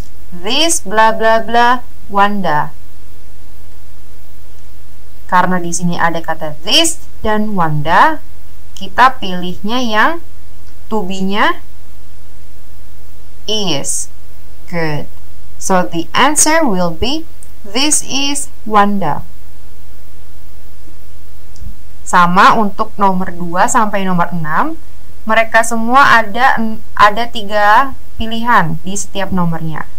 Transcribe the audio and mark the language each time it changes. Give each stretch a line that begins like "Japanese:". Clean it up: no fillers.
English: This bla bla bla Wanda.
Indonesian: Karena di sini ada kata this dan Wanda, kita pilihnya yang to be-nya is.
English: Good. So the answer will be this is Wanda.
Indonesian: Sama untuk nomor 2 sampai nomor 6, mereka semua ada 3 pilihan di setiap nomornya.